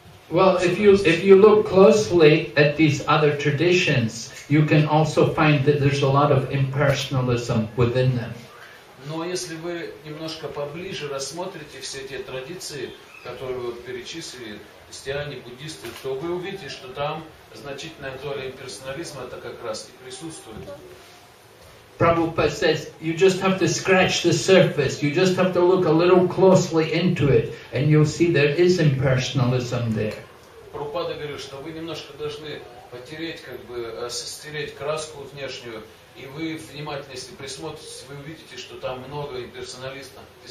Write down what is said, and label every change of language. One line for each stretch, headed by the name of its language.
English: Well, if you look closely at these other traditions, you can also find that there's a lot of impersonalism within them.
Russian: Но если вы немножко поближе рассмотрите все те традиции, которые вы перечислили, христиане, буддисты, то вы увидите, что там значительная доля имперсонализма это как раз и присутствует.
English: Prabhupada says, you just have to scratch the surface, you just have to look a little closely into it, and you'll see there is impersonalism there.
Russian: Prabhupada говорит, что вы немножко должны потереть, как бы, стереть краску внешнюю, и вы внимательно, если присмотритесь, вы увидите, что там много имперсонализма.